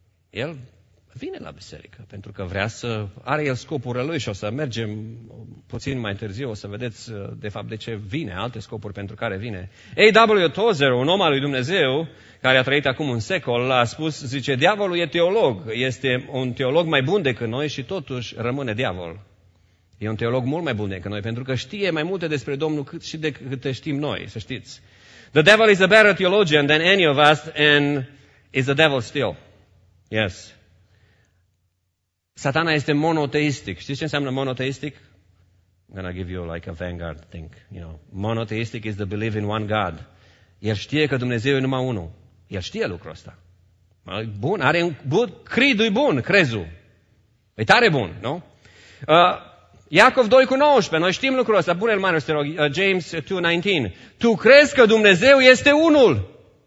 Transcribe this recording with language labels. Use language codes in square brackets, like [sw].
[ro] El vine la biserică pentru că vrea să are el scopurile lui și o să mergem puțin mai târziu, o să vedeți de fapt de ce vine, alte scopuri pentru care vine. A.W. Tozer, un om al lui Dumnezeu, care a trăit acum un secol, a spus, zice, diavolul e teolog, este un teolog mai bun decât noi și totuși rămâne diavol. E un teolog mult mai bun decât noi, pentru că știe mai multe despre Domnul cât și decât știm noi, să știți. [en] The devil is a better theologian than any of us and is the devil still. [ro] Yes. Satana este monoteistic. Știți ce înseamnă monoteistic? [en] I'm going to give you like a vanguard thing. You know, monoteistic is the belief in one God. [ro] El știe că Dumnezeu e numai unul. El știe lucrul ăsta. Bun, are un bun, credul e bun, crezul. E tare bun, nu? Iacov 2:19, noi știm lucrul ăsta. Bun, Elmanus, te rog, James 2:19. Tu crezi că Dumnezeu este unul.